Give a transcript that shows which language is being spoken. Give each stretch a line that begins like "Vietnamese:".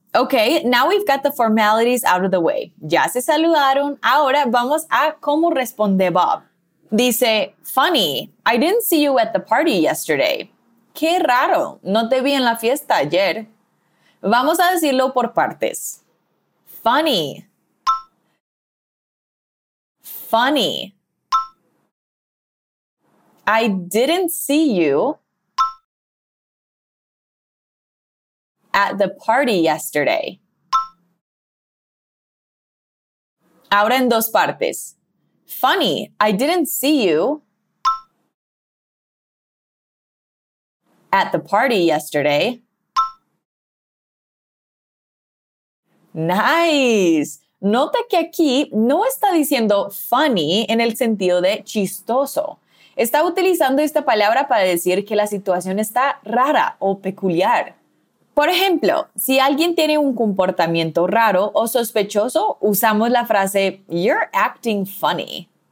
English: Okay, now we've got the formalities out of the way.
Spanish: Ya se saludaron. Ahora vamos a cómo responde Bob. Dice,
English: funny, I didn't see you at the party yesterday.
Spanish: Qué raro, no te vi en la fiesta ayer. Vamos a decirlo por partes. Funny.
English: Funny. I didn't see you at the party yesterday.
Spanish: Ahora en dos partes.
English: Funny. I didn't see you at the party yesterday. Nice.
Spanish: Nota que aquí no está diciendo funny en el sentido de chistoso. Está utilizando esta palabra para decir que la situación está rara o peculiar. Por ejemplo, si alguien tiene un comportamiento raro o sospechoso, usamos la frase
English: you're acting funny.